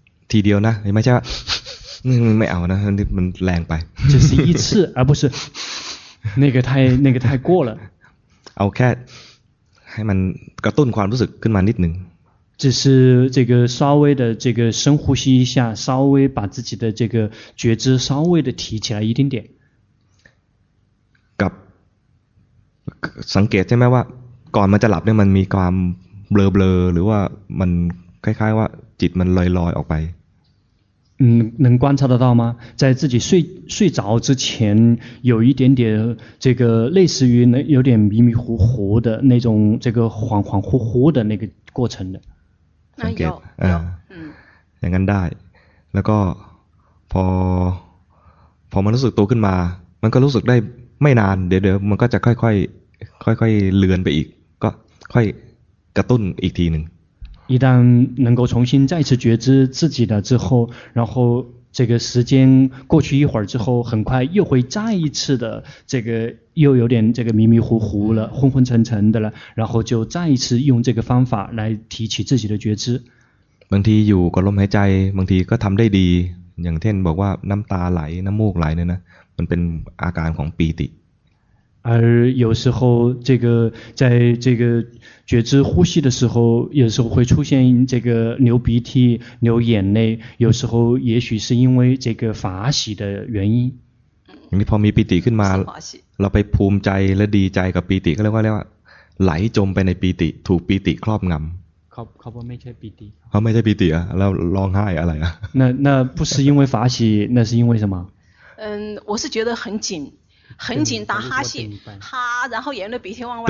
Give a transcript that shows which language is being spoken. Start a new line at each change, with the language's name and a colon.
Thai: ทีเดียวนะไม่ใช่ไม่เอานะมันแรงไป
Chinese: 只是一次而不是那个太过了
Thai: เอาแค่ให้มันกระตุ้นความรู้สึกขึ้นมานิดนึง
Chinese: 只是这个稍微的这个深呼吸一下，稍微把自己的这个觉知稍微的提起来一点点。
Thai: กับสังเกตใช่ไหมว่าก่อนมันจะหลับเนี่ยมันมีความเบลอเบลอหรือว่ามันคล้ายๆว่าจิตมันลอยลอยออกไป
Chinese: 能观察得到吗？在自己睡着之前，有一点点这个类似于有点迷迷糊糊的那种这个恍恍惚惚的那个过程的。
Thai: สังเกต อย่างนั้นได้แล้วก็พอมันรู้สึกตัวขึ้นมามันก็รู้สึกได้ไม่นานเดี๋ยวมันก็จะค่อยเลือนไปอีกก็ค่อยกระตุ้นอีกทีหนึ่ง
Chinese: 一旦能够重新再次觉知自己的之后，然后这个时间过去一会儿之后，很快又会再一次的这个又有点这个迷迷糊糊了，昏昏沉沉的了，然后就再一次用这个方法来提起自己的觉知。
Thai: บางทีอยู่กับลมหายใจบางทีก็ทำได้ดีอย่างเช่นบอกว่าน้ำตาไหลน้ำมูกไหลเนี่ยนะมันเป็นอาการของปีติ
Chinese: 而有时候这个在这个觉知呼吸的时候有时候会出现这个流鼻涕流眼泪有时候也许是因为这个法喜的原因
Thai: นี่พอมีปีติขึ้นมาเราไปภูมิใจและดีใจกับปีติก็เรียกว่าไหลจมไปในปีติถูกปีติครอบงำ เขาไม่ใช่ปีติ เขาไม่ใช่ปีติอ่ะแล้วร้องไห้อะไรอ่ะ
Chinese: 那不是因为法喜那是因为什么嗯我是觉得很紧很紧打哈气哈然后沿着鼻涕往外流